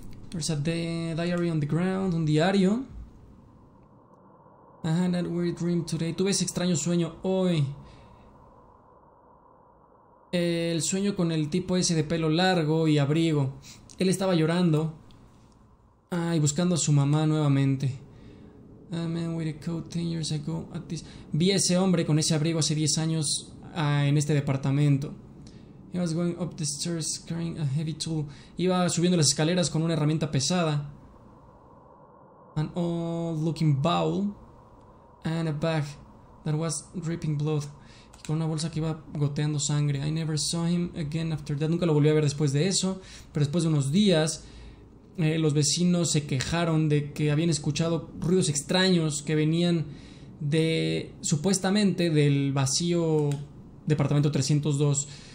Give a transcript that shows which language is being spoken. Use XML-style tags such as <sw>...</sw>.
<en>There's a diary on the ground, un diario. Had a weird dream today.</en> <es>Tuve ese extraño sueño hoy. El sueño con el tipo ese de pelo largo y abrigo. Él estaba llorando. Ay, buscando a su mamá nuevamente.</es> <en>A man with a coat 10 years ago at this.</en> <es>Vi a ese hombre con ese abrigo hace 10 años en este departamento.</es> <en>He was going up the stairs carrying a heavy tool.</en> <es>Iba subiendo las escaleras con una herramienta pesada.</es> <en>An old looking bowl. And a bag that was dripping blood.</en> <es>Y con una bolsa que iba goteando sangre.</es> <en>I never saw him again after that.</en> <es>Nunca lo volví a ver después de eso. Pero después de unos días, los vecinos se quejaron de que habían escuchado ruidos extraños que venían de, supuestamente, del vacío departamento 302.</es>